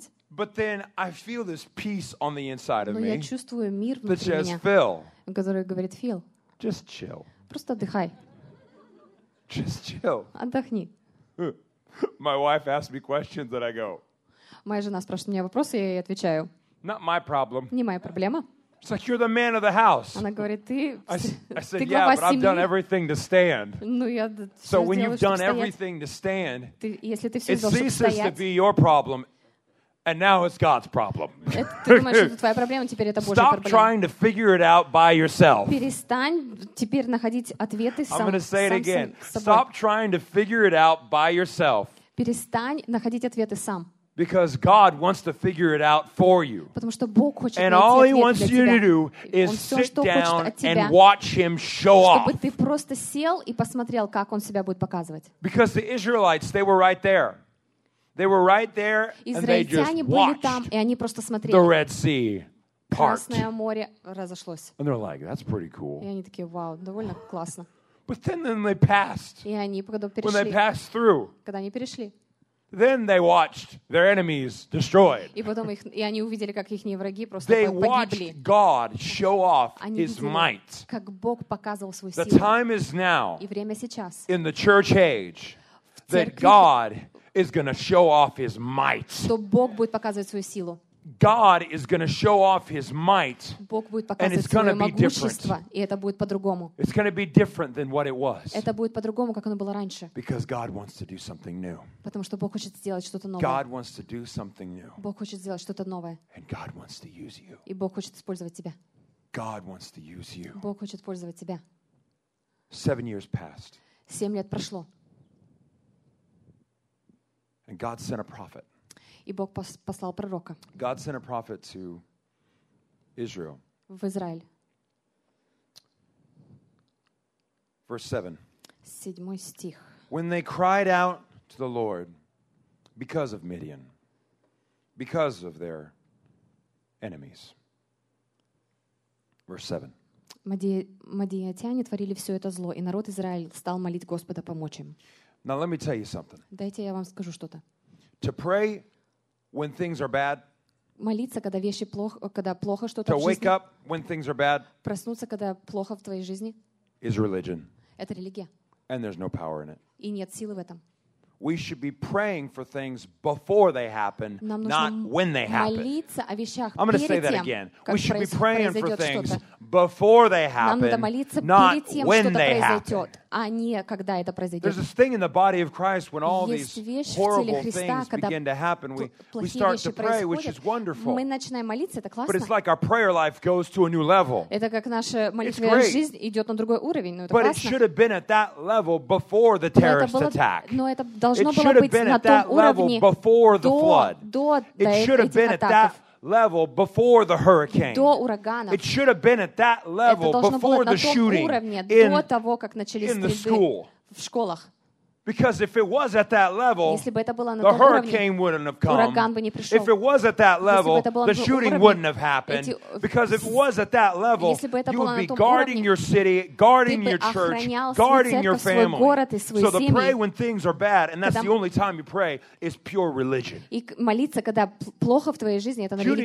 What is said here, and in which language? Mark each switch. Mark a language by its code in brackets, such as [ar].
[en] But then I feel this peace on the inside of [ru] Но [en] me. [ru] Но я чувствую мир [en] that [ru] внутри меня, [en] Phil, [ru] который говорит, Фил, [en] just chill. [ru] Просто отдыхай. [en] Just chill. [ru] Отдохни. [en] My wife asks me questions and I go. [ru] Моя жена спрашивает меня вопросы, я ей отвечаю. [en] Not my problem. [ru] Не моя проблема. [en] It's like you're the man of the house. [ru] Она говорит, ты. [en] I said, yeah, but I've done everything to stand. [ru] Ну я. [en] So when you've done everything to stand, [ru] если ты все сделал, чтобы стоять, [en] it ceases to be your problem, and now it's God's problem. [ru] Ты думаешь, что это твоя проблема, теперь это Божья проблема. [en] Stop trying to figure it out by yourself. [ru] Перестань теперь находить ответы сам. [en] I'm going to say it again. Stop trying to figure it out by yourself. [ru] Перестань находить ответы сам. [en] Because God wants to figure it out for you. [ru] Потому что Бог хочет найти ответ [en] And all He wants you to do is sit down and watch Him show off. [ru] Чтобы ты просто сел и посмотрел, как Он себя будет показывать. [en] Because the Israelites, they were right there. They were right there and they just watched the Red Sea part. [ru] Красное море разошлось. [en] And they're like, that's pretty cool. [ru] И они такие, вау, довольно классно. [en] But then they passed. [ru] И они когда перешли. [en] When they passed through. [ru] Когда они перешли. [en] Then they watched their enemies destroyed. [ru] И потом их и они увидели, как их враги просто погибли. [en] They watched God show off His might. [ru] Как Бог показывал свою силу. [en] The time is now. [ru] И время сейчас. [en] In the church age, that God is going to show off His might. [ru] Что Бог будет показывать свою силу. [en] God is going to show off His might. [ru] Бог будет показывать свое могущество, и это будет по-другому. [en] It's going to be different than what it was. [ru] Это будет по-другому, как оно было раньше. [en] Because God wants to do something new. [ru] Потому что Бог хочет сделать что-то новое. [en] God wants to do something new. [ru] Бог хочет сделать что-то новое. [en] And God wants to use you. [ru] И Бог хочет использовать тебя. [en] God wants to use you. [ru] Бог хочет использовать тебя. [en] 7 years passed. [ru] 7 лет прошло. [en] And God sent a prophet. [ru] И Бог послал пророка. [en] God sent a prophet to Israel. [ru] В Израиль. [en] Verse 7. [ru] 7 стих. [en] When they cried out to the Lord because of Midian, because of their enemies. Verse 7. [ru] Мадиатяне творили все это зло, и народ Израиль стал молить Господа помочь им. [en] Now let me tell you something. [ru] Дайте я вам скажу что-то. [en] To pray When things are bad. [ru] Молиться, когда вещи плохо, когда плохо что-то [en] to [ru] в жизни. [en] To wake up when things are bad. [ru] Проснуться, когда плохо в твоей жизни. [en] Is religion. [ru] Это религия. [en] And there's no power in it. [ru] И нет силы в этом. [en] We should be praying for things before they happen, not when they happen. [ru] Молиться о вещах [en] I'm going to say that again. We should be praying for things before they happen, not when they happen. [ru] А не когда это произойдет. [en] There's this thing in the body of Christ when all these horrible things begin to happen, we start to pray, which is wonderful. [ru] Мы начинаем молиться, это классно. [en] But it's like our prayer life goes to a new level. [ru] Это как наша молитвенная жизнь идет на другой уровень, но это [en] But it should have been at that level before the terrorist attack. [ru] Но это должно было быть на том уровне [en] before the flood. It should have been at that level before the hurricane. [ru] До урагана. [en] It should have been at that level before the shooting in the school. [ru] В школах. [en] Because if it was at that level, the hurricane wouldn't have come. [ru] Ураган бы не пришел. [en] If it was at that level, the shooting wouldn't have happened. Because if it was at that level, you would be guarding your city, guarding your church, guarding your family. So to pray when things are bad, and that's the only time you pray, is pure religion. [ru] И молиться, когда плохо в твоей жизни, это на религии.